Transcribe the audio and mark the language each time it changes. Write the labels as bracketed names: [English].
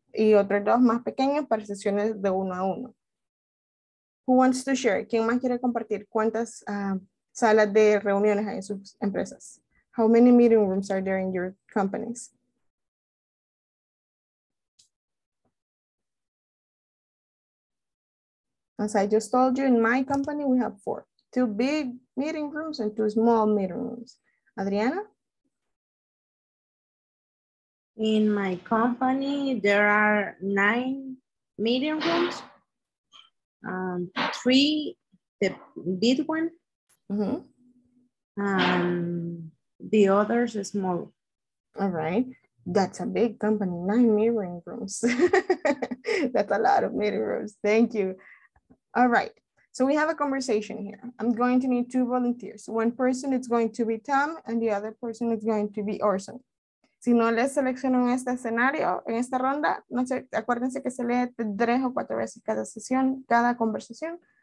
[Spanish] Y otros 2 más pequeños para sesiones de uno a uno. [English] Who wants to share? [Spanish] ¿Quién más quiere compartir? ¿Cuántas salas de reuniones hay en sus empresas? [English] How many meeting rooms are there in your companies? As I just told you, in my company, we have 4. 2 big meeting rooms and 2 small meeting rooms. Adriana? In my company, there are 9 meeting rooms. 3, the big one. Mm-hmm. The others are small. All right. That's a big company, 9 meeting rooms. That's a lot of meeting rooms. Thank you. All right. So we have a conversation here. I'm going to need 2 volunteers. One person is going to be Tom and the other person is going to be Orson. [Spanish] Si no les selecciono en este escenario, en esta ronda, no sé, acuérdense que se lee 3 o 4 veces cada sesión, cada conversación.